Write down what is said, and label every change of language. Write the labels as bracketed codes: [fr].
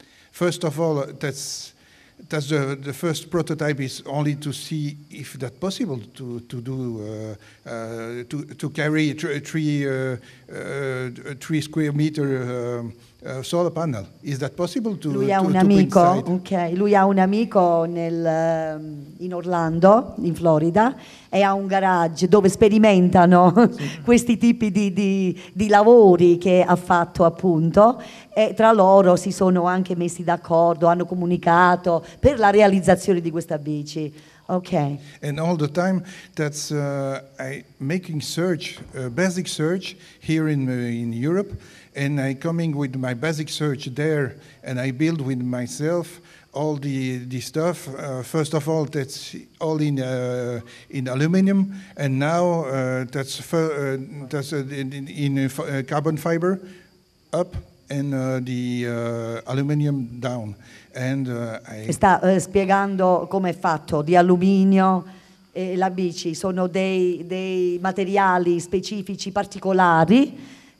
[en] First of all, that's the first prototype is only to see if that's possible to do, to carry three square meter solar panel. Is that possible to [it] lui ha un [en] to [it] amico, okay. Lui ha un amico nel, in Orlando, in Florida, e ha un garage dove sperimentano questi tipi di lavori che ha fatto appunto, e tra loro si sono anche messi d'accordo, hanno comunicato per la realizzazione di questa bici. Okay. [en] And all the time that's making search, basic search here in Europe, and I coming with my basic search there, and I build with myself all the stuff. First of all, that's all in aluminum, and now that's in carbon fiber up and the aluminum down. And [it] spiegando come è fatto di alluminio e la bici. Sono dei materiali specifici particolari.